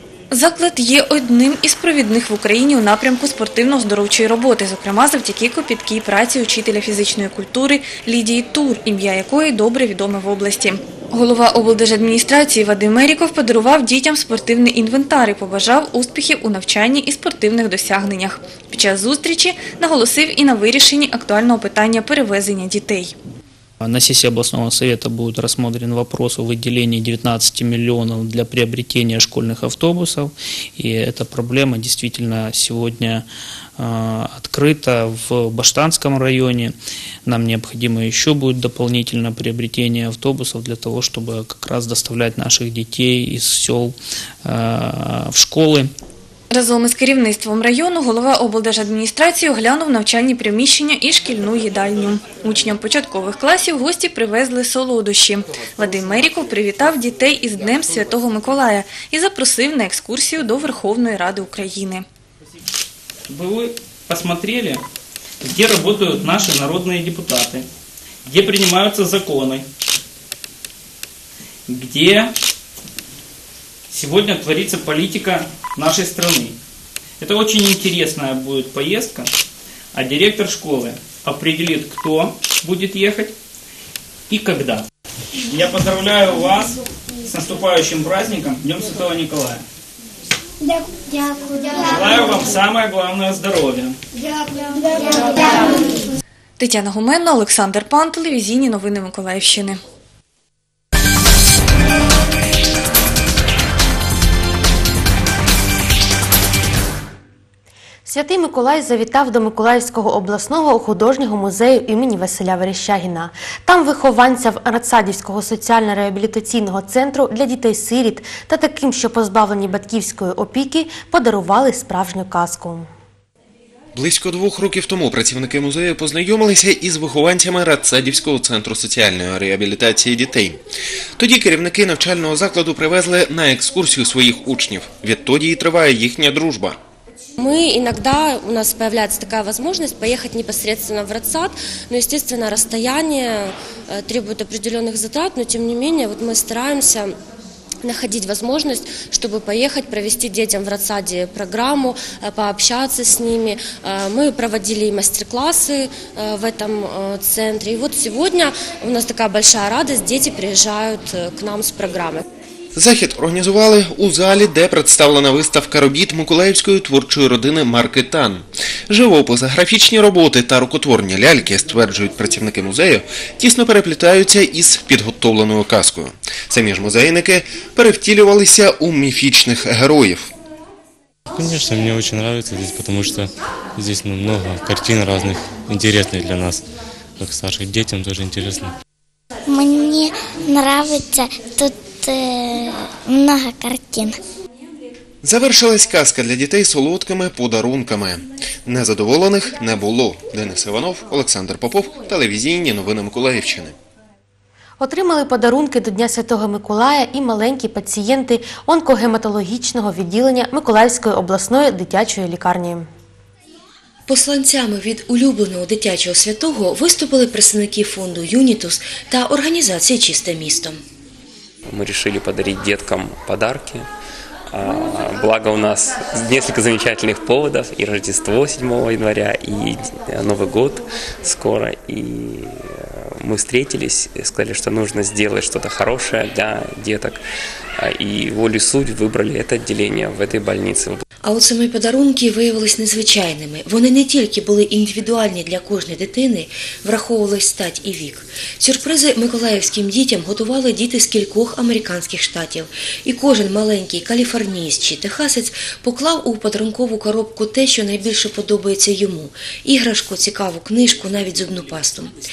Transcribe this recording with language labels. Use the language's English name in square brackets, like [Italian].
[Ukrainian] Заклад є одним із провідних в Україні у напрямку спортивно-оздоровчої роботи, зокрема завдяки копіткій праці учителя фізичної культури Лідії Тур, ім'я якої добре відоме в області. Голова облдержадміністрації Вадим Меріков подарував дітям спортивний інвентар і побажав успіхів у навчанні і спортивних досягненнях. Під час зустрічі наголосив і на вирішенні актуального питання перевезення дітей. [Russian] На сессии областного совета будет рассмотрен вопрос о выделении 19 миллионов для приобретения школьных автобусов. И эта проблема действительно сегодня открыта в Баштанском районе. Нам необходимо еще будет дополнительно приобретение автобусов для того, чтобы как раз доставлять наших детей из сел в школы. [Ukrainian] Разом із керівництвом району голова облдержадміністрації оглянув навчальні приміщення і шкільну їдальню. Учням початкових класів гості привезли солодощі. Вадим Меріков привітав дітей із Днем Святого Миколая і запросив на екскурсію до Верховної Ради України. Ви побачили, де працюють наші народні депутати, де приймаються закони, де сьогодні твориться політика [Russian] нашей страны. Это очень интересная будет поездка, а директор школы определит, кто будет ехать и когда. Я поздравляю вас с наступающим праздником, Днем Святого Николая. Желаю вам самое главное здоровья. [Ukrainian] Тетяна Гуменна, Олександр Пан, телевізійні новини Миколаївщини. Святий Миколай завітав до Миколаївського обласного художнього музею імені Василя Верещагіна. Там вихованцям Радсадівського соціально-реабілітаційного центру для дітей-сиріт та таким, що позбавлені батьківської опіки, подарували справжню казку. Близько 2 років тому працівники музею познайомилися із вихованцями Радсадівського центру соціальної реабілітації дітей. Тоді керівники навчального закладу привезли на екскурсію своїх учнів. Відтоді і триває їхня дружба. [Russian] Мы иногда, у нас появляется такая возможность поехать непосредственно в Радсад, но, естественно, расстояние требует определенных затрат, но, тем не менее, вот мы стараемся находить возможность, чтобы поехать, провести детям в Радсаде программу, пообщаться с ними. Мы проводили мастер-классы в этом центре, и вот сегодня у нас такая большая радость, дети приезжают к нам с программой. [Ukrainian] Захід організували у залі, де представлена виставка робіт миколаївської творчої родини марки «Тан». Живописи, графічні роботи та рукотворні ляльки, стверджують працівники музею, тісно переплітаються із підготовленою казкою. Самі ж музейники перевтілювалися у міфічних героїв. Звісно, мені дуже подобається тут, тому що тут багато картин різних, цікавих для нас, як старших дітям, дуже цікаво. Мені подобається тут. [Russian] Много картин. [Ukrainian] Завершилась казка для дітей солодкими подарунками. Незадоволених не було. Денис Іванов, Олександр Попов, телевізійні новини Миколаївщини. Отримали подарунки до Дня Святого Миколая і маленькі пацієнти онкогематологічного відділення Миколаївської обласної дитячої лікарні. Посланцями від улюбленого дитячого святого виступили представники фонду «Юнітус» та організації «Чисте місто». [Russian] Мы решили подарить деткам подарки, благо у нас несколько замечательных поводов, и Рождество 7 января, и Новый год скоро, и мы встретились, сказали, что нужно сделать что-то хорошее для деток, и волю судьбы выбрали это отделение в этой больнице. [Ukrainian] А от самі подарунки виявилися незвичайними. Вони не тільки були індивідуальні для кожної дитини, враховували стать і вік. Сюрпризи миколаївським дітям готували діти з кількох американських штатів. І кожен маленький каліфорнієць чи техасець поклав у подарункову коробку те, що найбільше подобається йому – іграшку, цікаву книжку, навіть зубну пасту.